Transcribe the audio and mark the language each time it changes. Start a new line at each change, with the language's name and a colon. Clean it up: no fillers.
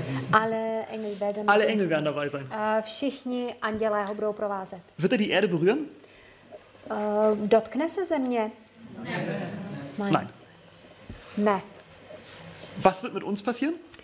German: Alle Engel werden dabei sein.
Czech: Všichni andělé ho budou provázet.
German: Wird er die Erde berühren?
Czech: Dotkne se země?
German: Nein.
Czech: Ne.
German: Was wird mit uns passieren?